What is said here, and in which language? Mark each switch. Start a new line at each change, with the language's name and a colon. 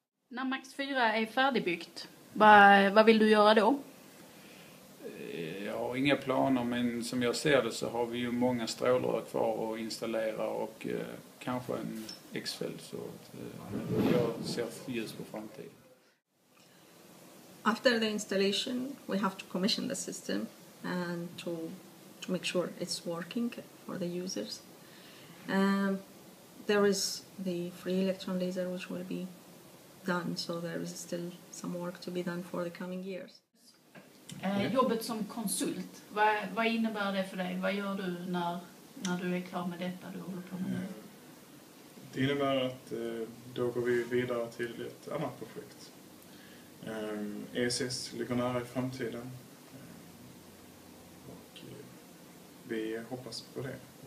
Swedish: När Max 4 är färdigbyggt, vad vill du göra då? Jag har inga planer men som jag ser det så har vi ju många strålrör kvar att installera och kanske en X-fäll så att jag ser ljus på framtiden.
English: After the installation we have to commission the system and to make sure it's working for the users. There is the free electron laser which will be done so there is still some work to be done for the coming years.
Swedish: Jobbet som konsult, vad innebär det för dig? Vad gör du när du är klar med detta du håller på med? Det innebär att då går vi vidare till ett annat projekt. ESS ligger nära i framtiden. Och vi hoppas på det.